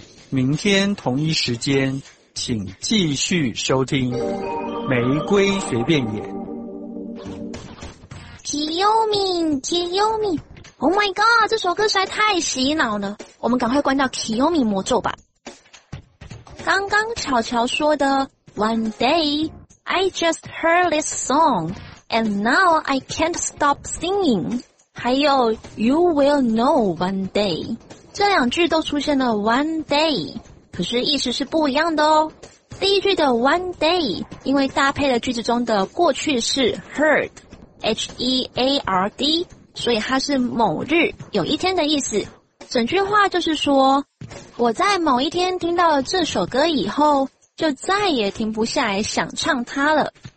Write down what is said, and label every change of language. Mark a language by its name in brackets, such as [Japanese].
[Chinese] 明天同一时间，请继续收听《玫瑰随便演》。迪欧米，迪欧米。 [English] Oh my god, [Chinese] 这首歌实在太洗脑了，我们赶快关掉 Kiyomi 魔咒吧。刚刚巧巧说的 [English] One day, I just heard this song, and now I can't stop singing, [Chinese] 还有 [English] You will know one day, [Chinese] 这两句都出现了 One day, 可是意思是不一样的哦。第一句的 One day, 因为搭配了句子中的过去式 heard, H-E-A-R-D,所以它是某日有一天的意思，整句话就是说我在某一天听到了这首歌以后就再也停不下来想唱它了。